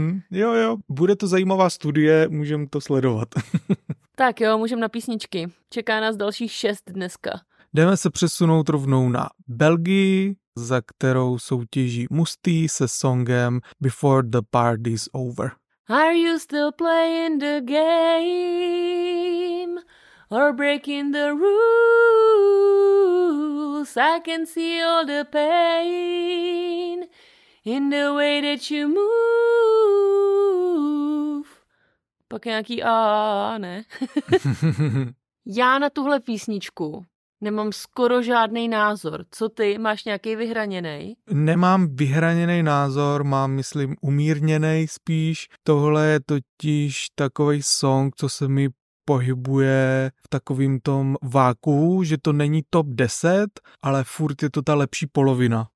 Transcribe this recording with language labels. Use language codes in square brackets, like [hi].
[cs] Jo, jo. Bude to zajímavá studie, můžem to sledovat. Tak jo, můžem na písničky. Čeká nás dalších 6 dneska. Jdeme se přesunout rovnou na Belgii, za kterou soutěží Musty se songem Before the Party's Over. [en] Are you still playing the game? Or breaking the rules, I can see all the pain in the way that you move. [cs] Pak nějaký ne. Já na tuhle písničku nemám skoro žádný názor. Co ty, máš nějaký vyhraněný? Nemám vyhraněný názor, mám myslím umírněný spíš. Tohle je totiž takovej song, co se mi pohybuje v takovým tom váku, že to není top 10, ale furt je to ta lepší polovina.